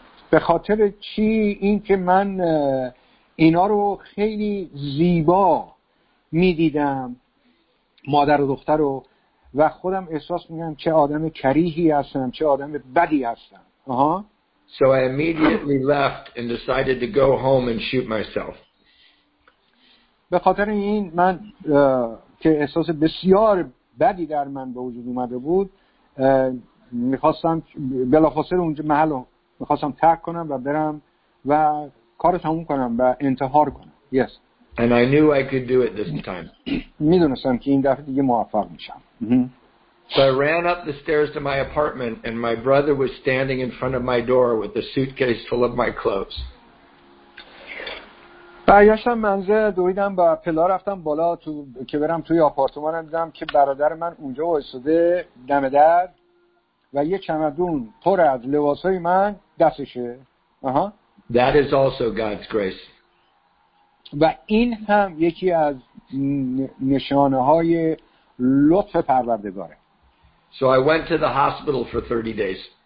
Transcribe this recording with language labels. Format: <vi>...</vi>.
<fa>به خاطر چی اینکه من اینا رو خیلی زیبا می دیدم، مادر و دختر رو، و خودم احساس میکنم چه آدم کریهی هستم، چه آدم بدی هستم.</fa> <en>So I immediately left and decided to go home and shoot myself.</en> <fa>به خاطر این من که احساس بسیار بدی در من به وجود اومده بود، میخواستم بلافاصله اونجا محل رو میخواستم ترک کنم و برم و کارو تموم کنم و انتحار کنم.</fa> <en>Yes. And I knew I could do it this time.</en> <fa>می‌دونستم که این دفعه دیگه موفق میشم.</fa> <en>So I ran up the stairs to my apartment and my brother was standing in front of my door with a suitcase full of my clothes.</en> <fa>برگشتم منزل، دویدم با پلا رفتم بالا تو که برم توی آپارتمان، دیدم که برادر من اونجا ایستاده دم در و یه چمدون پر از لباسای من دستشه.</fa> <en>That is also God's grace.</en> <fa>و این هم یکی از نشانه های لطف پروردگاره.</fa> <en>So I went to the hospital for 30 days.</en>